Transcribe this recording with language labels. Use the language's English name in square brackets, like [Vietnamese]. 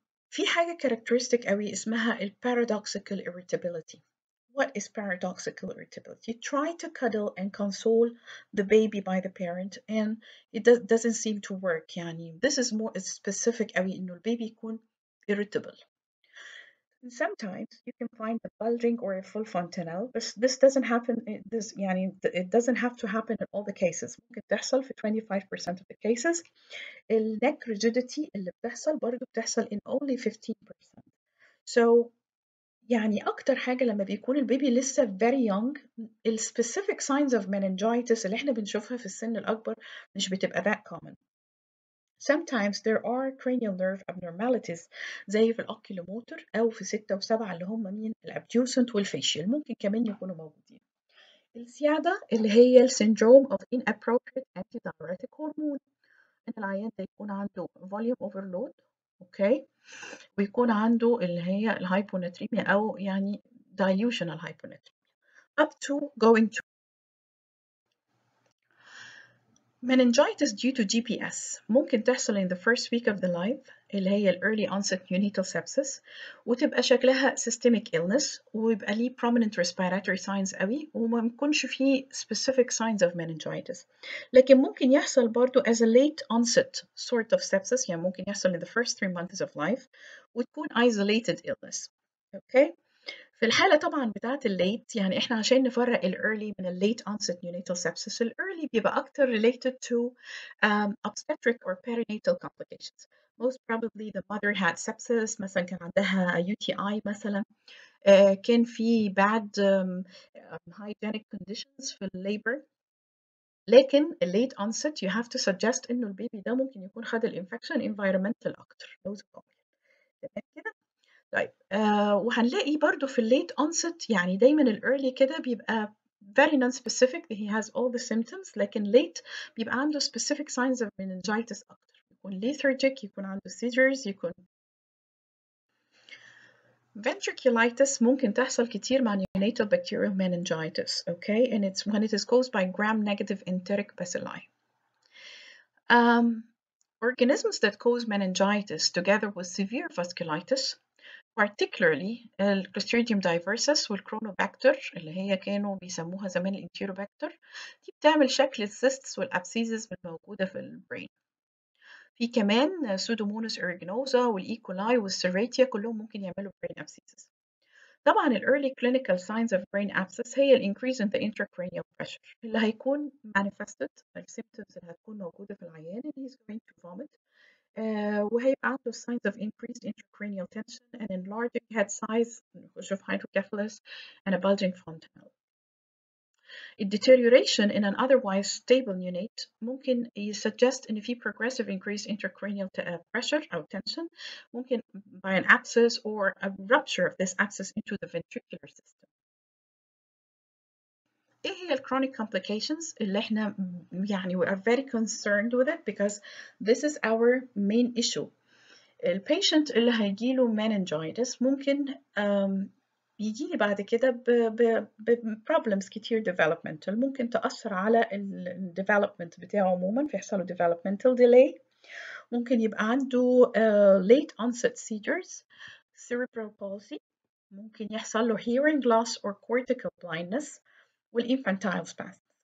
[Arabic] في حاجة characteristic أوي اسمها paradoxical irritability. [English] What is paradoxical irritability? You try to cuddle and console the baby by the parent and it doesn't seem to work. [Arabic] يعني [English] this is more specific [Arabic] أوي إنه البيبي يكون [English] irritable. And sometimes you can find a bulging or a full fontanelle, but this doesn't happen. It doesn't have to happen in all the cases. [Arabic] ممكن تحصل في 25% [English] of the cases. [Arabic] Neck rigidity اللي بتحصل برضو بتحصل [English] in only 15%. [Arabic] So, يعني أكتر حاجة لما بيكون البيبي لسه [English] very young, the specific signs of meningitis [Arabic] اللي إحنا بنشوفها في السن الأكبر مش بتبقى [English] that common. Sometimes there are cranial nerve abnormalities [Arabic] زي في الأوكيلوموتر أو في 6 و 7 اللي هم مين الابدوسنت والفيشيال ممكن كمان يكونوا موجودين. السيادة اللي هي السيندروم [English] of inappropriate antidiuretic hormone [Arabic] إن العيان ده يكون عنده [English] volume overload okay [Arabic] ويكون عنده اللي هي الهايبوناتريميا أو يعني [English] dilutional hyponatremia up to going to meningitis due to GPS [Arabic] ممكن تحصل [English] in the first week of the life [Arabic] اللي هي ال [English] early onset neonatal sepsis [Arabic] وتبقى شكلها [English] systemic illness [Arabic] ويبقى لي [English] prominent respiratory signs [Arabic] قوي وما يكونش فيه [English] specific signs of meningitis [Arabic] لكن ممكن يحصل برضو [English] as a late onset sort of sepsis [Arabic] يعني ممكن يحصل [English] in the first 3 months of life [Arabic] وتكون [English] isolated illness. Okay. [Arabic] في الحالة طبعاً بتاعت الليت يعني إحنا عشان نفرق الأرلي من الليت [English] onset neonatal sepsis [Arabic] الأرلي بيبقى أكتر [English] related to obstetric or perinatal complications. Most probably the mother had sepsis [Arabic] مثلاً كان عندها [English] UTI [Arabic] مثلاً كان في [English] bad hygienic conditions [Arabic] في [English] labor. [Arabic] لكن الليت onset [English] you have to suggest [Arabic] إنه البيبي ده ممكن يكون خد الانفكشن [English] environmental [Arabic] أكتر. طيب وهنلاقي برضو في الليت onset يعني دايما الارلي كده بيبقى [English] very non-specific he has all the symptoms [Arabic] لكن late بيبقى عنده [English] specific signs of meningitis [Arabic] أكتر يكون [English] lethargic [Arabic] يكون عنده [English] seizures [Arabic] يكون [English] Ventriculitis [Arabic] ممكن تحصل كتير مع [English] neonatal bacterial meningitis, okay? And it's when it is caused by gram-negative enteric bacilli. Organisms that cause meningitis together with severe vasculitis, particularly Clostridium diversus [Arabic] والكرونوبكتر اللي هي كانوا بيسموها زمان الانتيروبكتر, دي بتعمل شكل السيستس والابسيزس الموجودة في البرين. في كمان سودومونس اريجنوزا والإيكولاي والسيراتيا كلهم ممكن يعملوا برين ابسيزس. طبعا الـ [English] early clinical signs of brain abscess [Arabic] هي الـ [English] increase in the intracranial pressure [Arabic] اللي هيكون [English] manifested, [Arabic] الـ symptoms اللي هتكون موجودة في العيان, [English] and he's going to vomit. [Arabic] وهيبقى عنده [English] signs of increased intracranial tension and enlarging head size, which of hydrocephalus, and a bulging fontanelle. A deterioration in an otherwise stable neonate [Arabic] ممكن يسجست ان في [English] progressive increased intracranial pressure [Arabic] او [English] tension [Arabic] ممكن [English] by an abscess or a rupture of this abscess into the ventricular system. [Arabic] ايه هي الchronic complications اللي احنا يعني [English] we are very concerned with it because this is our main issue. [Arabic] الpatient اللي هيجيله meningitis ممكن يجي لي بعد كده ب [English] problems [Arabic] كتير developmental ممكن تأثر على ال development بتاعه عموما فيحصله [English] developmental delay [Arabic] ممكن يبقى عنده [English] late onset seizures cerebral palsy [Arabic] ممكن يحصل له [English] hearing loss or cortical blindness [Arabic] والinfantile spasms.